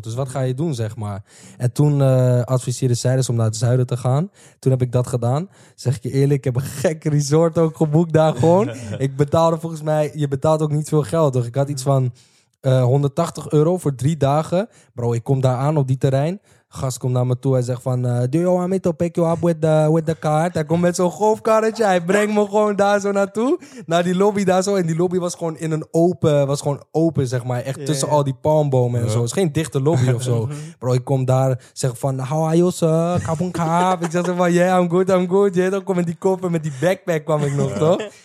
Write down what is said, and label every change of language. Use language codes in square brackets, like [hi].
[nl] Dus wat ga je doen, zeg maar? En toen adviseerde zij dus om naar het zuiden te gaan. Toen heb ik dat gedaan. Zeg ik je eerlijk, ik heb een gek resort ook geboekt daar gewoon. Ik betaalde volgens mij, je betaalt ook niet veel geld, toch? Ik had iets van... 180 euro voor 3 dagen. Bro, ik kom daar aan op die terrein. Gast komt naar me toe en zegt van... [en] Do you want me to pick you up with the card? [nl] Hij komt met zo'n golfkarretje. Hij brengt me gewoon daar zo naartoe. Naar die lobby daar zo. En die lobby was gewoon in een open... Was gewoon open, zeg maar. Echt tussen al die palmbomen en zo. Het is geen dichte lobby of zo. Bro, ik kom daar. Zeg van... [en] How are you, sir? [nl] Kapun kap. Ik zeg zo van... [en] Yeah, I'm good. [nl] Yeah, dan kom in die koffer met die backpack kwam ik nog, toch?